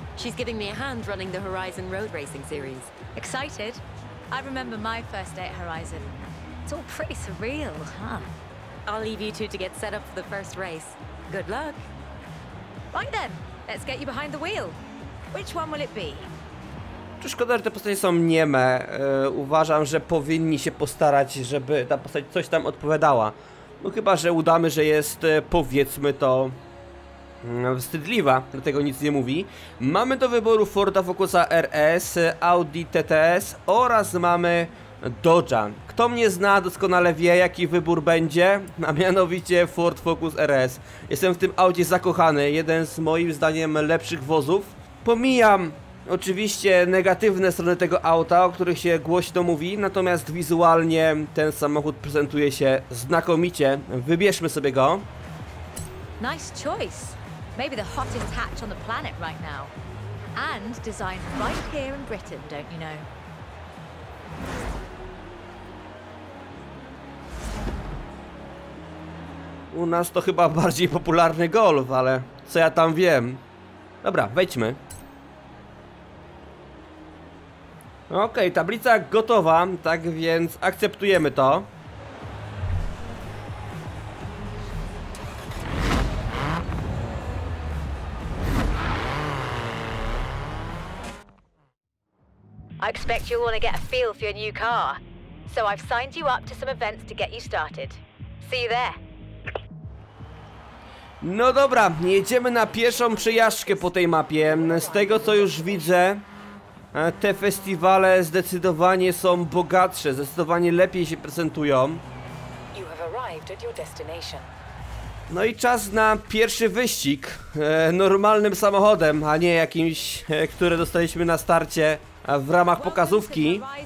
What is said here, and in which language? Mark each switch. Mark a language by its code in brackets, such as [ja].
[en] She's giving me a hand running the Horizon Road Racing Series. Excited? I remember my first day at Horizon. It's all pretty surreal, huh? I'll leave you two to get set up for the first race. Good luck. Right then, let's get you behind the wheel. Which one will it be? [pl] Czy szkoda, że te postacie są nieme. Uważam, że powinni się postarać, żeby ta postać coś tam odpowiadała. No chyba, że udamy, że jest, powiedzmy to, wstydliwa, dlatego nic nie mówi. Mamy do wyboru Forda Focusa RS, Audi TTS oraz mamy Dodge'a. Kto mnie zna, doskonale wie, jaki wybór będzie, a mianowicie Ford Focus RS. Jestem w tym aucie zakochany, jeden z moim zdaniem lepszych wozów. Pomijam oczywiście negatywne strony tego auta, o których się głośno mówi, natomiast wizualnie ten samochód prezentuje się znakomicie. Wybierzmy sobie go. [en] Nice choice. Maybe the hottest hatch on the planet right now. And designed right here in Britain, don't you know? [pl] U nas to chyba bardziej popularny Golf, ale co ja tam wiem. Dobra, wejdźmy. Okej, tablica gotowa, tak więc akceptujemy to. [en] I expect you'll want to get a feel for your new car. So I've signed you up to some events to get you started. See you there. [pl] No dobra, jedziemy na pierwszą przejażdżkę po tej mapie. Z tego co już widzę, te festiwale zdecydowanie są bogatsze, zdecydowanie lepiej się prezentują. [en] You have arrived at your destination. [pl] No i czas na pierwszy wyścig normalnym samochodem, a nie jakimś, które dostaliśmy na starcie w ramach pokazówki.